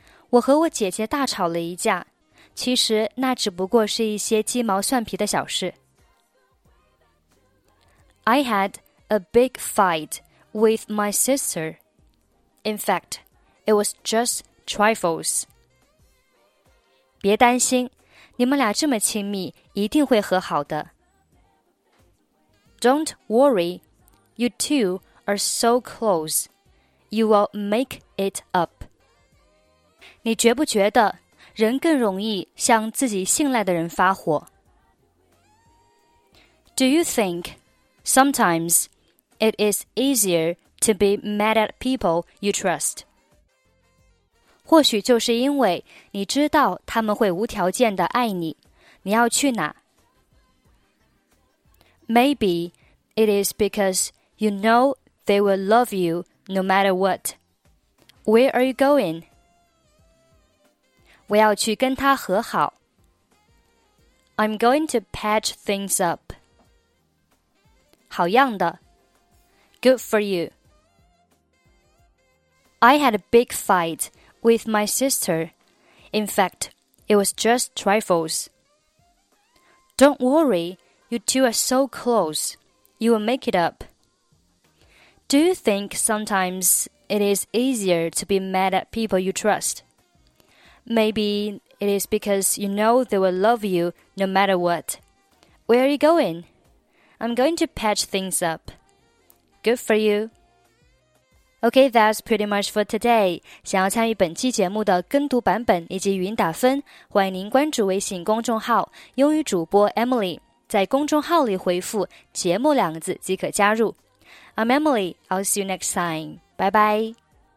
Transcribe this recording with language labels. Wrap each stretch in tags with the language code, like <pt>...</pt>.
<zh>我和我姐姐大吵了一架，其实那只不过是一些鸡毛蒜皮的小事。</zh> <en>I had a big fight with my sister. In fact,It was just trifles.</en> <zh>别担心，你们俩这么亲密，一定会和好的。</zh> <en>Don't worry, you two are so close. You will make it up.</en> <zh>你觉不觉得，人更容易向自己信赖的人发火？</zh> <en>Do you think, sometimes, it is easier to be mad at people you trust?</en> <zh>或许就是因为你知道他们会无条件地爱你，你要去哪</zh> <en>？Maybe it is because you know they will love you no matter what. Where are you going?</en> <zh>我要去跟他和好。</zh> <en>I'm going to patch things up.</en> <zh>好样的</zh> <en>！Good for you. I had a big fight. With my sister. In fact, it was just trifles. Don't worry, you two are so close. You will make it up. Do you think sometimes it is easier to be mad at people you trust? Maybe it is because you know they will love you no matter what. Where are you going? I'm going to patch things up. Good for you. Okay, that's pretty much for today.</en> <zh>想要参与本期节目的跟读版本以及语音打分，欢迎您关注微信公众号英语主播 Emily, 在公众号里回复节目两个字即可加入。</zh> <en>I'm Emily, I'll see you next time. Bye bye.</en>